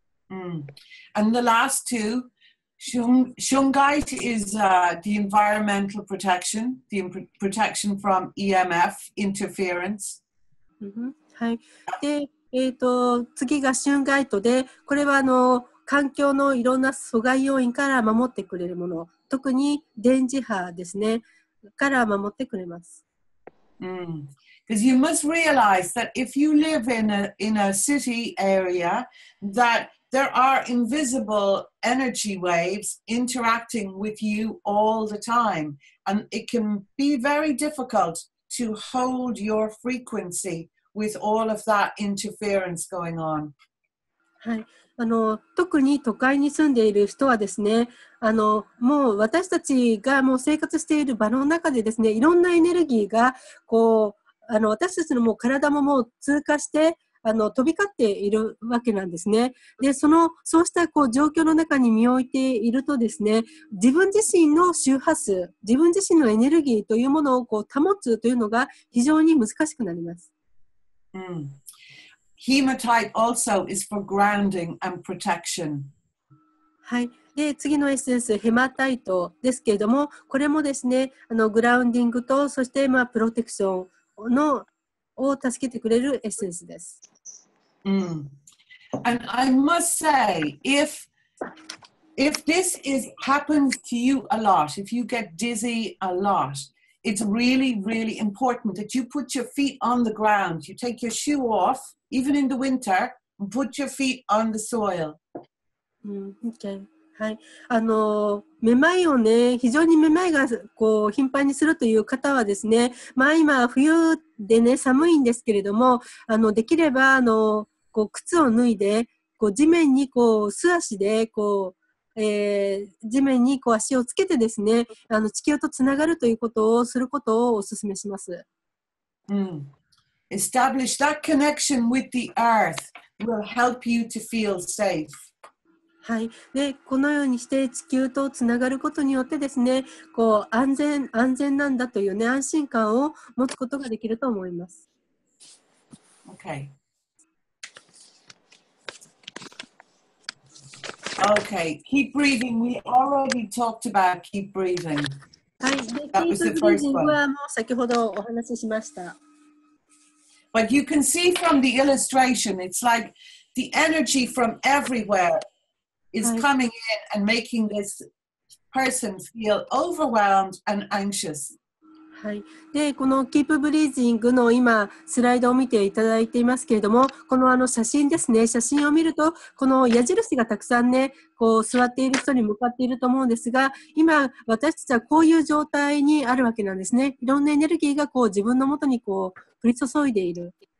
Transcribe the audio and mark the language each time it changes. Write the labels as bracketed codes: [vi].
[en] Mm. And the last two, Shungite is the environmental protection, the protection from EMF interference.、 [ja] Mm-hmm. はい。で、次がシュンガイトで、これは環境のいろんな阻害要因から守ってくれるもの、特に電磁波ですね、から守ってくれます。 [en] Because you must realize that if you live in a city area, that there are invisible energy waves interacting with you all the time. And it can be very difficult to hold your frequency with all of that interference going on. [ja] はい、特に都会に住んでいる人はですね、もう私たちがもう生活している場の中でですね、いろんなエネルギーがこう私たちのもう体ももう通過して飛び交っているわけなんですね。で、そうしたこう状況の中に身を置いているとですね、自分自身の周波数、自分自身のエネルギーというものをこう保つというのが非常に難しくなります。 [en] うん。Hematite also is for grounding and protection. [ja] はい。で、次のエッセンス、ヘマタイトですけれども、これもですね、グラウンディングと、そして、まあ、プロテクションのを助けてくれるエッセンスです。 [en] And I must say, if this happens to you a lot, if you get dizzy a lot, it's really, really important that you put your feet on the ground, you take your shoe off,Even in the winter, put your feet on the soil. [ja] Okay. はい。めまいをね、非常にめまいがこう頻繁にするという方はですね、まあ今冬でね寒いんですけれども、できればこう靴を脱いで、こう地面にこう素足でこう、地面にこう足をつけてですね、地球とつながるということをすることをお勧めします。うん。 [en] Establish that connection with the earth will help you to feel safe. [ja] はい。で、このようにして地球とつながることによってですね、こう安全なんだというね、安心感を持つことができると思います。 [en] Okay. Okay. Keep breathing. We already talked about keep breathing. [ja] はい。で、 [en] keep breathing [ja] はもう先ほどお話ししました。 [en] But you can see from the illustration, it's like the energy from everywhere is coming in and making this person feel overwhelmed and anxious. [ja] はい。で、この Keep Breathing の今、スライドを見ていただいていますけれども、この写真ですね、写真を見ると、この矢印がたくさんね、こう座っている人に向かっていると思うんですが、今、私たちはこういう状態にあるわけなんですね。いろんなエネルギーがこう自分のもとにこう、降り注いでいる。